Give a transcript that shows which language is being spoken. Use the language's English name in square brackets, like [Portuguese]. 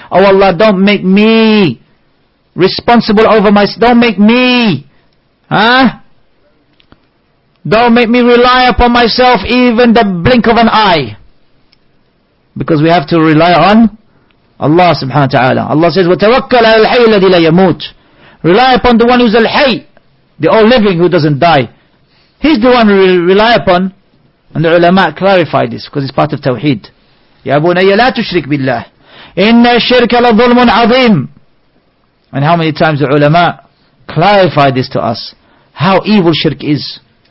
[English] Oh Allah, don't make me responsible over my... Don't make me... Don't make me rely upon myself even the blink of an eye. Because we have to rely on Allah subhanahu wa ta'ala. Allah says, [Arabic] وَتَوَكَّلْ عَلَى الْحَيِّ الَّذِي لَا يَمُوتُ. [English] Rely upon the one who's al-hay, the all-living who doesn't die. He's the one we rely upon. And the ulama clarified this because it's part of Tawheed. [Arabic] يَا بُنَيَّ لَا تُشْرِكْ بِاللَّهِ إِنَّ الشِّرْكَ لَظُلْمٌ عَظِيمٌ. [English] And how many times the ulama clarified this to us, how evil shirk is.